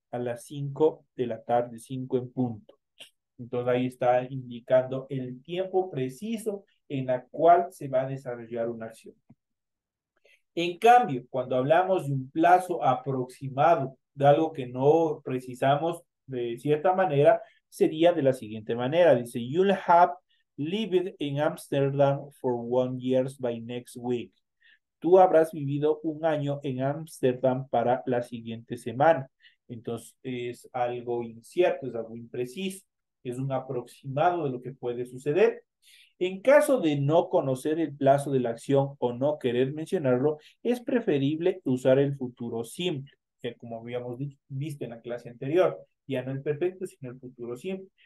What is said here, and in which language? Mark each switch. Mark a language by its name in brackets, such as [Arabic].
[Spanish] A las 5 de la tarde, 5 en punto. Entonces ahí está indicando el tiempo preciso en la cual se va a desarrollar una acción. En cambio, cuando hablamos de un plazo aproximado, de algo que no precisamos de cierta manera, sería de la siguiente manera. Dice, [English] you'll have lived in Amsterdam for 1 year by next week. [Spanish] Tú habrás vivido un año en Amsterdam para la siguiente semana. Entonces, es algo incierto, es algo impreciso, es un aproximado de lo que puede suceder. En caso de no conocer el plazo de la acción o no querer mencionarlo, es preferible usar el futuro simple, que como habíamos dicho, visto en la clase anterior, ya no el perfecto, sino el futuro simple.